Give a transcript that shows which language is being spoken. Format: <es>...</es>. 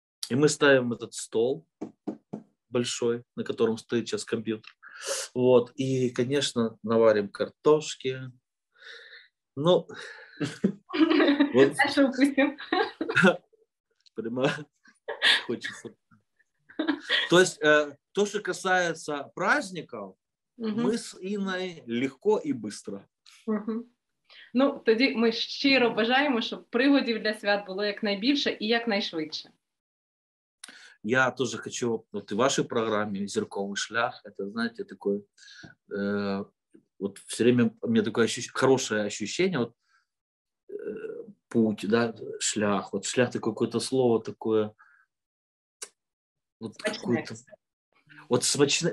<ru>И мы ставим этот стол большой, на котором стоит сейчас компьютер, вот, и, конечно, наварим картошки, ну, дальше упустим. Прямо хочется. То есть, то, что касается праздников, мы с Инной легко и быстро.</ru> <uk>Ну, тоді ми щиро бажаємо, щоб приводів для свят було якнайбільше і якнайшвидше.</uk> <ru>Я тоже хочу, вот в вашей программе «Зірковий шлях», это, знаете, такое, вот все время у меня такое хорошее ощущение, вот, путь, да, шлях. Вот шлях такое какое-то слово такое. Вот смачное. Какое-то. Вот смачное.</ru>